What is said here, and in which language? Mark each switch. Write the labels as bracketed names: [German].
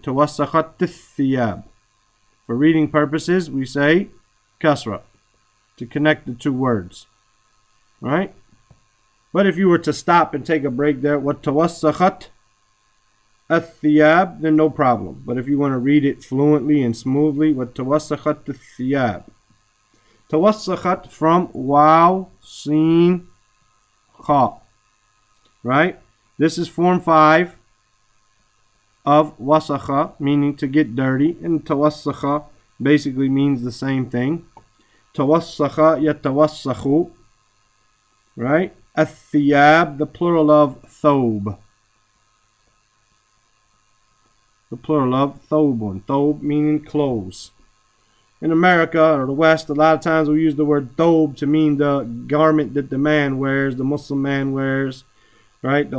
[Arabic] Tawassakhat al-thiyab. [English] For reading purposes, we say kasra, to connect the two words, right? But if you were to stop and take a break there, what [Arabic] tawassakhat al-thiyab, [English] then no problem. But if you want to read it fluently and smoothly, what [Arabic] tawassakhat al-thiyab. توسخت from واو سين خاء, right? [English] This is form 5 of وسخة, meaning to get dirty, and توسخة basically means the same thing. [Arabic] توسخة يتوسخ, right? [English] الثياب, the plural of ثوب, the plural of ثوبون, ثوب meaning clothes. In America or the West, a lot of times we use the word thobe to mean the garment that the man wears, the Muslim man wears, right?